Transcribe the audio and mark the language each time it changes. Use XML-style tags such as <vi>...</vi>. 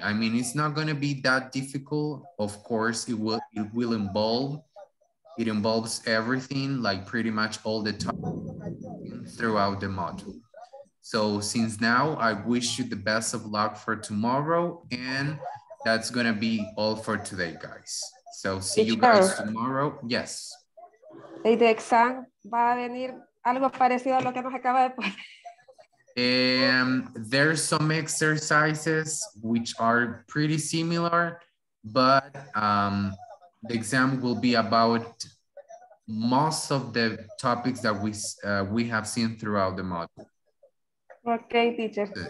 <en>I mean, it's not going to be that difficult. Of course, it involves everything, like pretty much all the time throughout the module. So since now, I wish you the best of luck for tomorrow. And that's going to be all for today, guys. So see you guys tomorrow. Yes.</en> <es>¿Y de exam va a venir algo parecido a lo que nos acaba de poner?</es> <en>There's some exercises which are pretty similar, but the exam will be about most of the topics that we have seen throughout the module. Okay, teacher.</en>